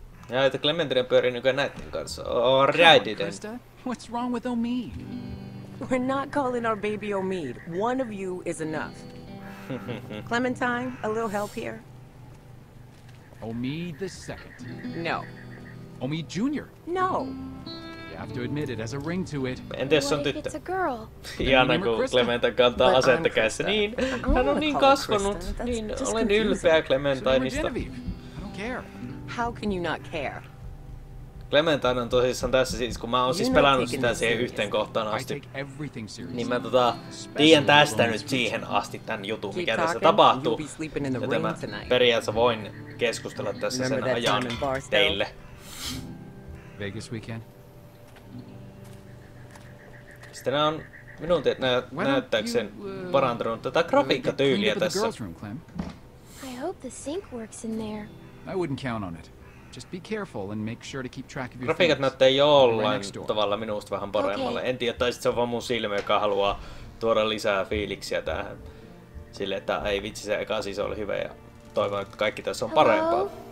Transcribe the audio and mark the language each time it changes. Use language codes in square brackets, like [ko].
[fi] Ja että Clementine pyörii nykyään näitten kanssa. [en] Alrighty. What's wrong with Omid? We're not calling our baby Omid. One of you is enough. Clementine, a little help here? Omid the second. No. Omid Junior. No. You have to admit it has a ring to it. And this [fi] on tyttö. [en] It's a girl. [fi] Ihana kun Clementine kantaa asetta käessä niin. Hän on niin kasvanut, niin olen ylpeä Clementineista. [en] I don't care. How can you not care? [fi] Clementine on tosissaan tässä siis, kun mä oon siis pelannut sitä siihen yhteen kohtaan asti. Niin mä tiedän tästä nyt siihen asti tän jutun, mikä tässä tapahtuu. Joten mä periaatteessa voin keskustella tässä sen ajan teille. Sitten on minun näyttääkseen parantanut tätä grafiikkatyyliä tässä. [en] I hope the sink works in there. I wouldn't count on it. Just be careful and make sure to keep track of your things. [fi] Grafiikat näyttää jollain tavalla minusta vähän paremmalle. Okay. En tiedä, tai sit se on vaan mun silmä, joka haluaa tuoda lisää fiiliksiä tähän. Silleen, että ei vitsi, se eka siis oli hyvä ja toivon, että kaikki tässä on parempaa.